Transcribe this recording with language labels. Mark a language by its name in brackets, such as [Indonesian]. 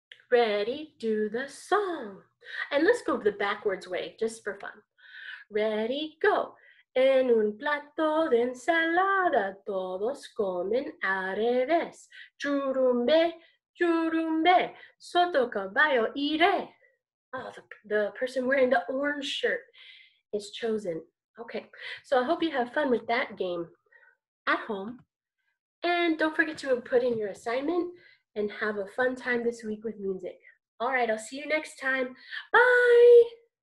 [English] Ready, do the song. And let's go the backwards way just for fun. Ready, go. [Spanish] En un plato de ensalada, todos comen al revés. Churumbe, churumbe, soto caballo iré. [English] Oh, the person wearing the orange shirt is chosen. Okay, so I hope you have fun with that game at home. And don't forget to put in your assignment and have a fun time this week with music. All right, I'll see you next time. Bye!